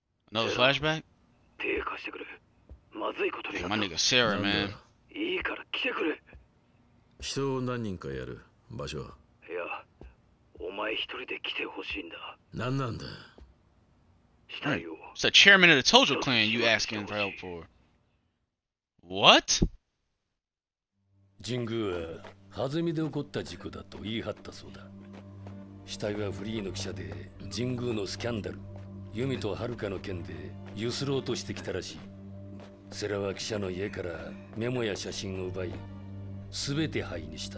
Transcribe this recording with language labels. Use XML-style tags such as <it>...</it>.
<en>Another flashback?</en> <ja>手貸してくれ。まずいことになった。</ja> <en>My nigga Sarah, man.</en> <ja>いいから来てくれ。人を何人かやる場所は。いや、お前一人で来てほしいんだ。何なんだ。したよ。</ja> <en>It's the chairman of the Tojo clan you asking for help for. What?</en> <ja>神宮は弾みで起こった事故だと言い張ったそうだ。死体はフリーの記者で、神宮のスキャンダル、ユミとハルカの件で揺すろうとしてきたらしい。セラは記者の家からメモや写真を奪い、すべて灰にした。</ja>